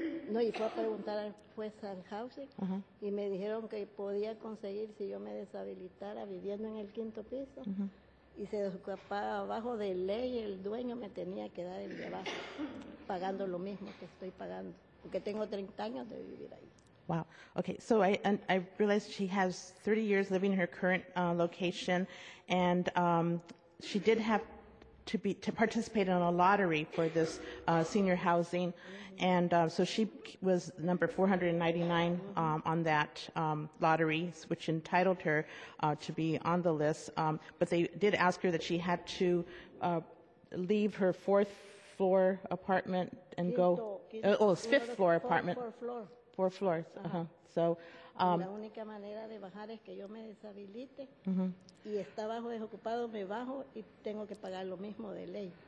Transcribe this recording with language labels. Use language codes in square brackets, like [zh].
[es] No, y fue a preguntar al juez al housing y me dijeron que podía conseguir si yo me deshabilitara viviendo en el quinto piso y se desocupaba abajo de ley, el dueño me tenía que dar el de abajo, pagando lo mismo que estoy pagando, porque tengo 30 años de vivir ahí. [en] Wow. Okay. So I realized she has 30 years living in her current location, and she did have to participate in a lottery for this senior housing, and so she was number 499 on that lottery, which entitled her to be on the list. But they did ask her that she had to leave her fourth floor apartment and go. It's fifth floor apartment. Four floors. So, [es] la única manera de bajar es que yo me deshabilite y está bajo desocupado, me bajo y tengo que pagar lo mismo de ley.